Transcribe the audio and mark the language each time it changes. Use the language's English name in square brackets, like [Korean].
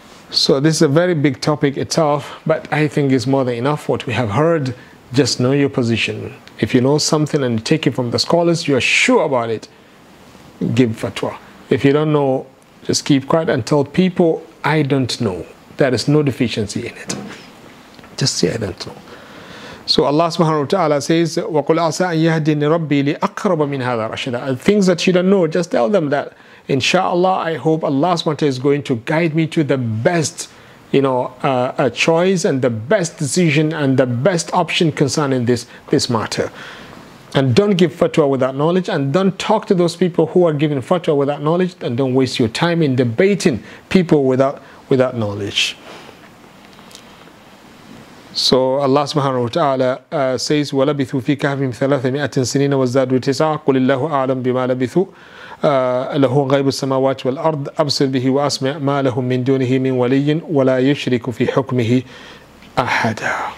[English] So this is a very big topic itself, but I think it's more than enough what we have heard. Just know your position. If you know something and take it from the scholars, you are sure about it, give fatwa. If you don't know, just keep quiet and tell people, I don't know. There is no deficiency in it. Just say, I don't know. So Allah subhanahu wa ta'ala says, [Arabic] وَقُلْ أَعْسَىٰ أَنْ يَهْدِنِ رَبِّي لِأَقْرَبَ مِنْ هَذَا رَشَدًا. [English] Things that you don't know, just tell them that, inshallah, I hope Allah subhanahu wa ta'ala is going to guide me to the best, you know, a choice and the best decision and the best option concerning this matter. And don't give fatwa without knowledge, and don't talk to those people who are giving fatwa without knowledge, and don't waste your time in debating people without knowledge. So Allah subhanahu wa ta'ala says, [Arabic] وَلَبِثُوا فِي كَهْفِهِمْ 300 سِنِينَ وَزَّادُوا تِسْعًا قُلِ اللَّهُ أَعْلَمُ بِمَا لَبِثُوا له غيب السماوات والأرض أبصر به وأسمع ما لهم من دونه من ولي ولا يشرك في حكمه أحدا.